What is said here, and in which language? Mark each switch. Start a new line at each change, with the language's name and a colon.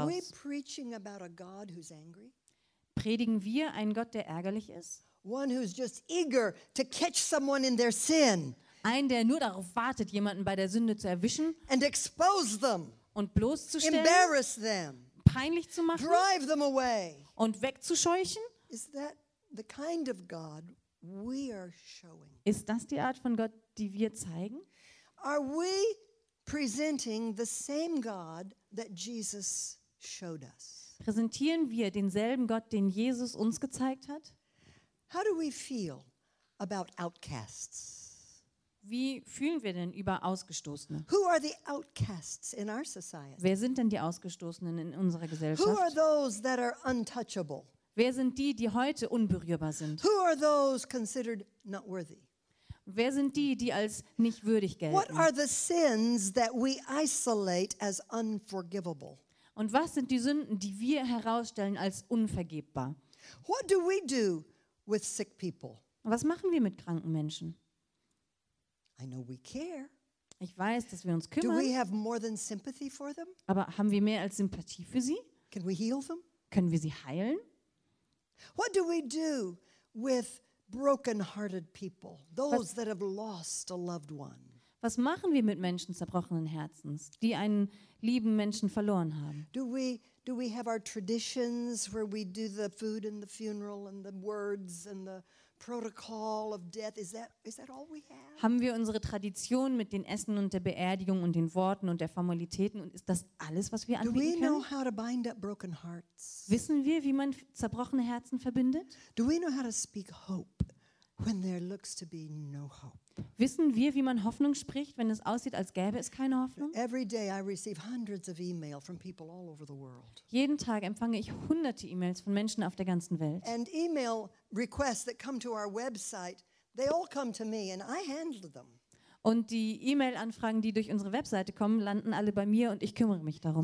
English: Are we preaching about a God who's angry?
German: Predigen wir einen Gott, der ärgerlich ist?
English: One who's just eager to catch someone in their sin.
German: Ein, der nur darauf wartet, jemanden bei der Sünde zu erwischen.
English: And expose them.
German: Und bloßzustellen.
English: Embarrass them.
German: Peinlich zu machen.
English: Drive them away.
German: Und wegzuscheuchen.
English: Is that the kind of God we are showing?
German: Ist das die Art von Gott, die wir zeigen?
English: Are we presenting the same God that Jesus showed us?
German: Präsentieren wir denselben Gott, den Jesus uns gezeigt hat?
English: How do we feel about outcasts?
German: Wie fühlen wir denn über Ausgestoßene?
English: Who are the outcasts in our society?
German: Wer sind denn die Ausgestoßenen in unserer Gesellschaft?
English: Who are those that are untouchable?
German: Wer sind die, die heute unberührbar sind?
English: Who are those considered not worthy?
German: Wer sind die, die als nicht würdig gelten?
English: What are the sins that we isolate as unforgivable?
German: Und was sind die Sünden, die wir herausstellen als unvergebbar?
English: What do we do with sick people?
German: Was machen wir mit kranken Menschen?
English: I know we care.
German: Ich weiß, dass wir uns kümmern.
English: Do we have more than sympathy for them?
German: Aber haben wir mehr als Sympathie für sie?
English: Can we heal them?
German: Können wir sie heilen?
English: What do we do with broken-hearted people, those that have lost a loved one?
German: Was machen wir mit Menschen zerbrochenen Herzens, die einen lieben Menschen verloren haben?
English: Do we have our traditions where we do the food and the funeral and the words and the protocol of death? Is that all we have?
German: Haben wir unsere Tradition mit den Essen und der Beerdigung und den Worten und der Formalitäten, und ist das alles, was wir anbieten können?
English: Do we know how to bind up broken hearts?
German: Wissen wir, wie man zerbrochene Herzen verbindet?
English: Do we know how to speak hope when there looks to be no hope?
German: Wissen wir, wie man Hoffnung spricht, wenn es aussieht, als gäbe es keine Hoffnung?
English: Every day I receive hundreds of email from people all over the world.
German: Jeden Tag empfange ich hunderte E-Mails von Menschen auf der ganzen Welt.
English: And email requests that come to our website, they all come to me and I handle them.
German: Und die E-Mail-Anfragen, die durch unsere Webseite kommen, landen alle bei mir und ich kümmere mich darum.